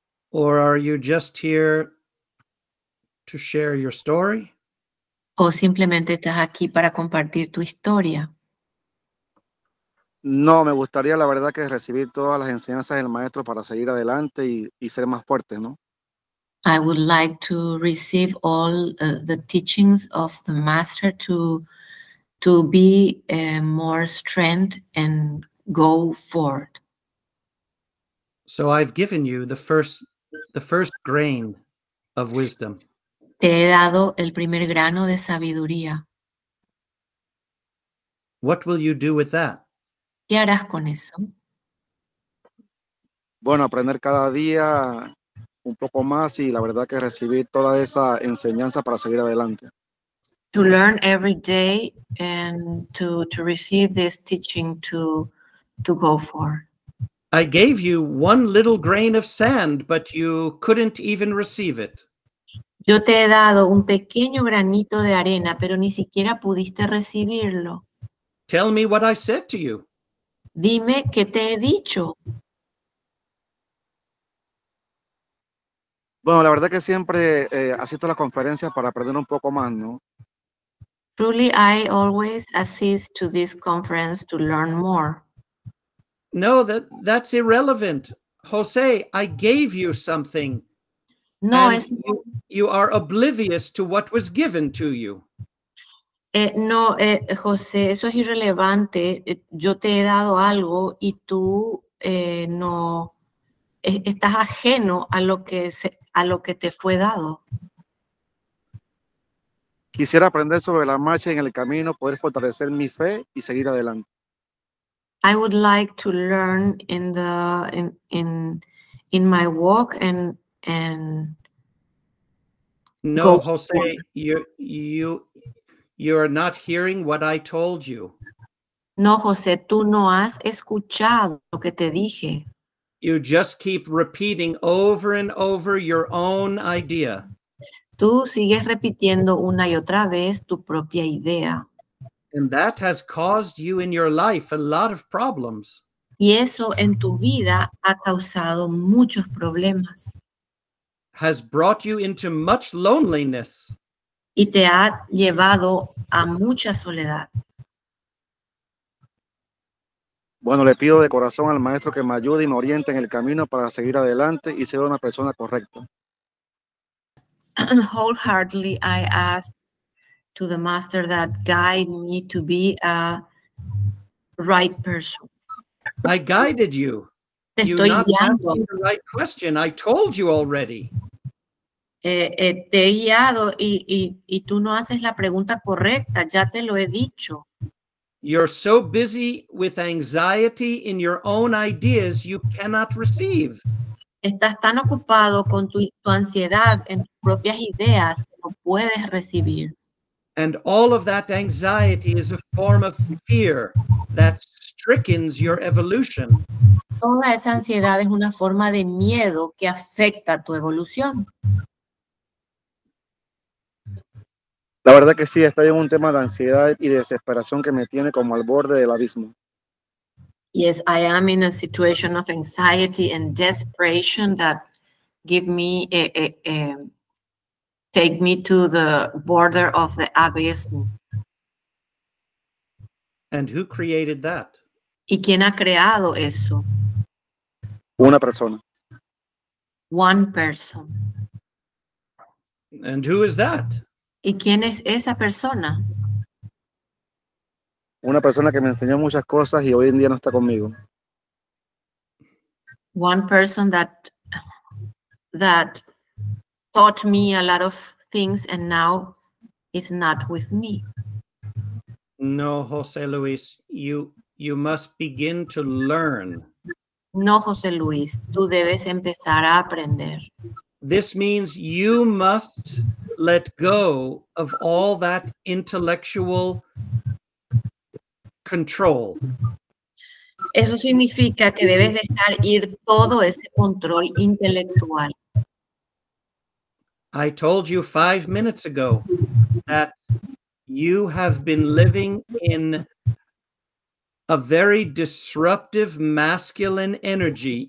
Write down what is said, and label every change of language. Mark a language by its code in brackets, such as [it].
[en] Or are you just here to share your story? [es] ¿O simplemente estás aquí para compartir tu historia? No, me gustaría la verdad que recibir todas las enseñanzas del maestro para seguir adelante y ser más fuerte, ¿no? [en] I would like to receive all the teachings of the master to be more strength and go forward. So I've given you the first grain of wisdom. [es] Te he dado el primer grano de sabiduría. [en] What will you do with that? [es] ¿Qué harás con eso? Bueno, aprender cada día un poco más y la verdad que recibir toda esa enseñanza para seguir adelante. [en] To learn every day and to receive this teaching to go for. I gave you one little grain of sand, but you couldn't even receive it. [es] Yo te he dado un pequeño granito de arena, pero ni siquiera pudiste recibirlo. [en] Tell me what I said to you. [es] Dime qué te he dicho. Bueno, la verdad que siempre asisto a las conferencias para aprender un poco más, ¿no? [en] Truly, I always assist to this conference to learn more. No, that's irrelevant. Jose, I gave you something. No, you are oblivious to what was given to you. [es] No, José, eso es irrelevante. Yo te he dado algo y tú no estás ajeno a lo que te fue dado. Quisiera aprender sobre la marcha en el camino, poder fortalecer mi fe y seguir adelante. [en] I would like to learn in my walk and No, Jose, you're not hearing what I told you. [es] No, Jose, tú no has escuchado lo que te dije. [en] You just keep repeating over and over your own idea. [es] Tú sigues repitiendo una y otra vez tu propia idea. [en] And that has caused you in your life a lot of problems. [es] Y eso en tu vida ha causado muchos problemas. [en] Has brought you into much loneliness. [es] Y te ha llevado a mucha soledad. Bueno, le pido de corazón al maestro que me ayude y me oriente en el camino para seguir adelante y ser una persona correcta. [en] Wholeheartedly, I ask to the master that guide me to be a right person. I guided you. [es] Te estoy guiando. [en] You're not asking the right question. I told you already. [es] Te he guiado y tú no haces la pregunta correcta. Ya te lo he dicho. [en] You're so busy with anxiety in your own ideas, you cannot receive. [es] Estás tan ocupado con tu ansiedad en tus propias ideas que no puedes recibir. [en] And all of that anxiety is a form of fear that strickens your evolution. [es] Toda esa ansiedad es una forma de miedo que afecta tu evolución. La verdad que sí, estoy en un tema de ansiedad y desesperación que me tiene como al borde del abismo. [en] Yes, I am in a situation of anxiety and desperation that give me take me to the border of the abyss. And who created that? [es] ¿Y quién ha creado eso? Una persona. [en] One person. And who is that? [es] ¿Y quién es esa persona? Una persona que me enseñó muchas cosas y hoy en día no está conmigo. [en] One person that taught me a lot of things and now is not with me. No, José Luis, you must begin to learn. [es] No, José Luis, tú debes empezar a aprender. [en] This means you must let go of all that intellectual control. [es] Eso significa que debes dejar ir todo ese control intelectual. [en] I told you 5 minutes ago that you have been living in a very disruptive masculine energy.